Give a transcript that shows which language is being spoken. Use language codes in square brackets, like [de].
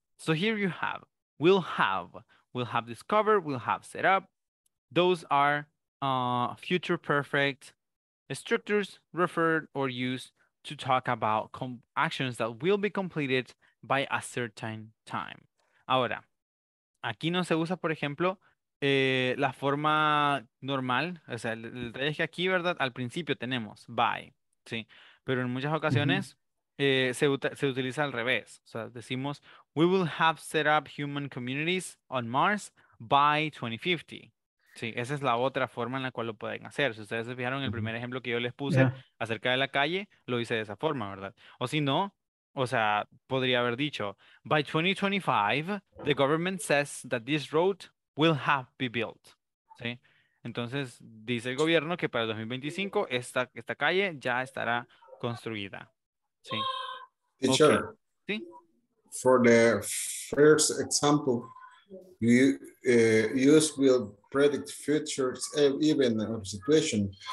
[en] So here you have, will have discovered, will have set up. Those are future perfect structures referred or used to talk about actions that will be completed by a certain time. [es] Ahora, aquí no se usa, por ejemplo, la forma normal, o sea, el detalle es que aquí, ¿verdad? Al principio tenemos by, ¿sí? Pero en muchas ocasiones se utiliza al revés. O sea, decimos [en] we will have set up human communities on Mars by 2050. [es] Sí, esa es la otra forma en la cual lo pueden hacer. Si ustedes se fijaron, el primer ejemplo que yo les puse acerca de la calle, lo hice de esa forma, ¿verdad? O si no, o sea, podría haber dicho, [en] by 2025, the government says that this road will have been built. [es] ¿Sí? Entonces, dice el gobierno que para el 2025 esta calle ya estará construida. ¿Sí? [en] Teacher. Okay. [es] ¿Sí? [en] For the first example, you use will predict futures even of situation.